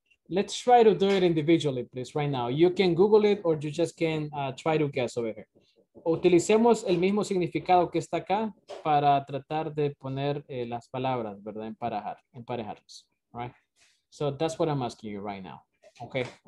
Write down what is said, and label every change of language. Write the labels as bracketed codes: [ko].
[en] Let's try to do it individually, please, right now. You can Google it or you just can try to guess over here. [es] Utilicemos el mismo significado que está acá para tratar de poner las palabras, ¿verdad? Emparejarlas, [en] right? So that's what I'm asking you right now, okay?